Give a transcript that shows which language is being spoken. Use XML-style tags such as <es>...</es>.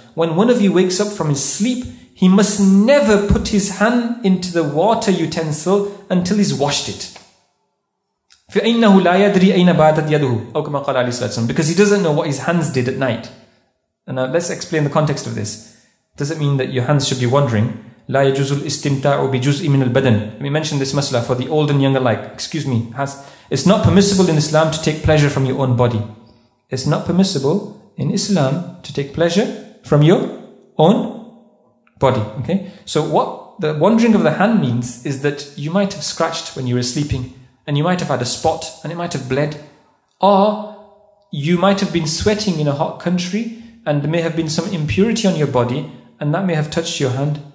<en>When one of you wakes up from his sleep, he must never put his hand into the water utensil until he's washed it.</en> <ar>فَإِنَّهُ لَا يَدْرِي أَيْنَ بَعَدَتْ يَدُهُ أَوْ كَمَا قَالَ عَلَيْهِ الصَّلَاةُ وَالسَّلَامُ.</ar> <en>Because he doesn't know what his hands did at night. And now let's explain the context of this. Does it mean that your hands should be wandering?</en> <ar>لا يجوز الاستمتاع بجزئ من البدن.</ar> <en>Let me mention this masala for the old and young alike. Excuse me. It's not permissible in Islam to take pleasure from your own body. It's not permissible in Islam to take pleasure from your own body. Okay. So what the wandering of the hand means is that you might have scratched when you were sleeping, and you might have had a spot, and it might have bled, or you might have been sweating in a hot country, and there may have been some impurity on your body, and that may have touched your hand.</en>